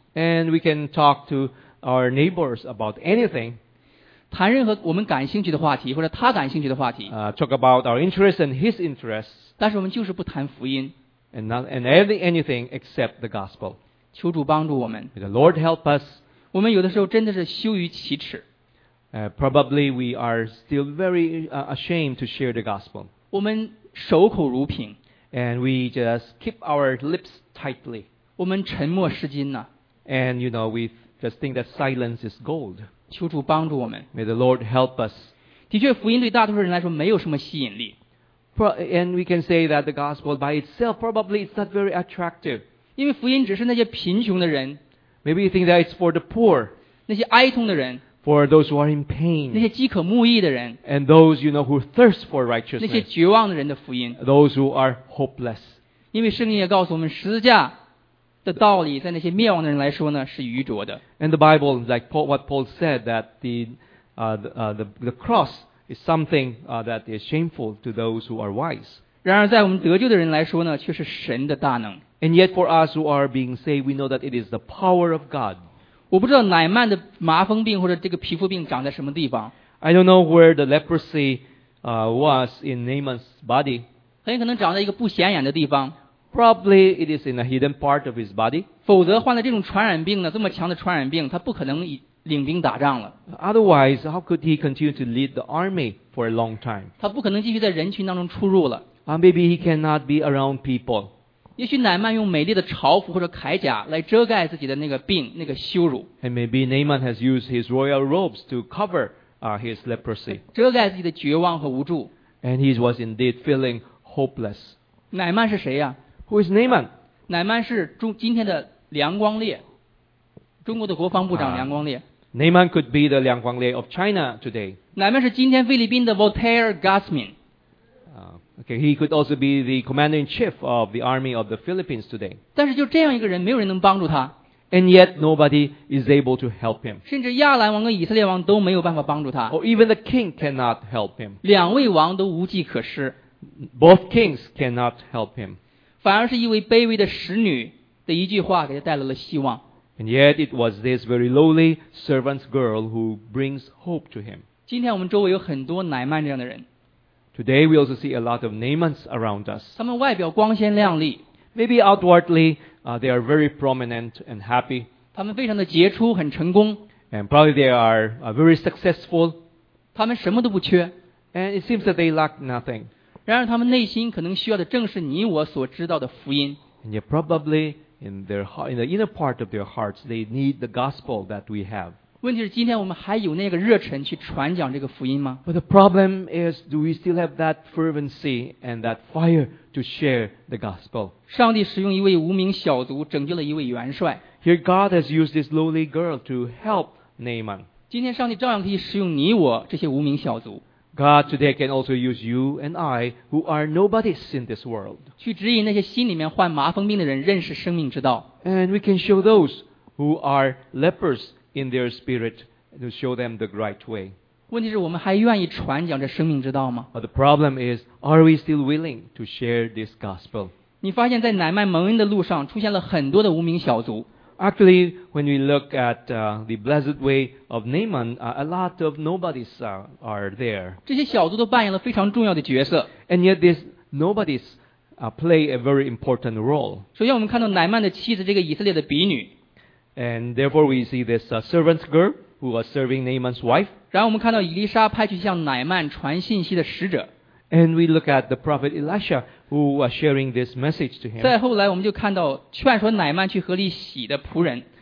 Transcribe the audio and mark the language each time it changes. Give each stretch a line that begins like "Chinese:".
English: ，And we can talk to our neighbors about anything.
Chinese: 谈任何我们感兴趣的话题或者他感兴趣的话题
English: ，Talk about our interests and his interests.
Chinese: 但是我们就是不谈福音。
English: And anything except the gospel.
Chinese: 求主帮助我们。
English: May the Lord help us.
Chinese: 我们有的时候真的是羞于启齿。
English: Probably we are still very ashamed to share the gospel.
Chinese: 我们守口如瓶。
English: And we just keep our lips tightly.
Chinese: 我们沉默是金呐。
English: And you know, we just think that silence is gold.
Chinese: 求主帮助我们。
English: May the Lord help us.
Chinese: 的确，福音对大多数人来说没有什么吸引力。
English: And we can say that the gospel by itself probably is not very attractive.
Chinese: 因为福音只是那些贫穷的人。
English: Maybe you think that it's for the poor.
Chinese: 那些哀痛的人。
English: For those who are in pain.
Chinese: 那些饥渴慕义的人。
English: And those, you know, who thirst for righteousness.
Chinese: 那些绝望的人的福音。
English: Those who are hopeless.
Chinese: 因为圣经也告诉我们，十字架的道理在那些灭亡的人来说呢，是愚拙的。
English: And the Bible, like Paul, what Paul said, that the cross. Is something that is shameful to those who are wise.
Chinese: 然而在我们得救的人来说呢，却是神的大能。
English: And yet for us who are being saved, we know that it is the power of God.
Chinese: 我不知道乃曼的麻风病或者这个皮肤病长在什么地方。
English: I don't know where the leprosy was in Naaman's body.
Chinese: 很可能长在一个不显眼的地方。
English: Probably it is in a hidden part of his body.
Chinese: 否则患了这种传染病呢，这么强的传染病，他不可能领兵打仗了。
English: Otherwise, how could he continue to lead the army for a long time?
Chinese: 他不可能继续在人群当中出入了。
English: Maybe he cannot be around people.
Chinese: 也许乃曼用美丽的朝服或者铠甲来遮盖自己的那个病、那个羞辱。
English: And maybe Naaman has used his royal robes to cover his leprosy.
Chinese: 遮盖自己的绝望和无助。
English: And he was indeed feeling hopeless.
Chinese: 乃曼是谁呀？
English: Who is Naaman?
Chinese: 乃曼是今天的梁光烈。中国的国防部长梁光烈。
English: Naaman could be the 梁光烈 of China today.
Chinese: 乃曼是今天菲律宾的 Voltaire Gasmin.
English: Okay, he could also be the commander in chief of the army of the Philippines today.
Chinese: 但是就这样一个人，没有人能帮助他。
English: And yet nobody is able to help him.
Chinese: 甚至亚兰王跟以色列王都没有办法帮助他。
English: Or even the king cannot help him.
Chinese: 两位王都无计可施。
English: Both kings cannot help him.
Chinese: 反而是一位卑微的使女的一句话给他带来了希望。
English: And yet it was this very lowly servant's girl who brings hope to him.
Chinese: 今天我们周围有很多乃曼这样的人。
English: Today we also see a lot of Naamans around us.
Chinese: 他们外表光鲜亮丽。
English: Maybe outwardly, they are very prominent and happy.
Chinese: 他们非常的杰出，很成功。
English: And probably they are very successful.
Chinese: 他们什么都不缺。
English: And it seems that they lack nothing.
Chinese: 然而他们内心可能需要的正是你我所知道的福音。
English: And yet probably,In the inner part of their hearts, they need the gospel that we have.
Chinese: 问题是今天我们还有那个热忱去传讲这个福音吗？
English: But the problem is, do we still have that fervency and that fire to share the gospel?
Chinese: 上帝使用一位无名小卒拯救了一位元帅。
English: Here God has used this lowly girl to help Naaman.
Chinese: 今天上帝照样可以使用你我这些无名小卒。
English: God today can also use you and I, who are nobodies in this world,
Chinese: 去指引那些心里面患麻风病的人认识生命之道。
English: And we can show those who are lepers in their spirit to show them the right way.
Chinese: 问题是我们还愿意传讲这生命之道吗？
English: But the problem is, are we still willing to share this gospel?
Chinese: 你发现在乃曼蒙恩的路上出现了很多的无名小卒。
English: Actually, when we look at the blessed way of Naaman, a lot of nobodies are there.
Chinese: 这些小卒都扮演了非常重要的角色。
English: And yet these nobodies play a very important role.
Chinese: 首先我们看到乃曼的妻子这个以色列的婢女。
English: And therefore we see this servant's girl who was serving Naaman's wife.
Chinese: 然后我们看到以利沙派去向乃曼传信息的使者。
English: And we look at the prophet Elisha who was sharing this message to him.
Chinese: 再后来我们就看到劝说乃曼去河里洗的仆人。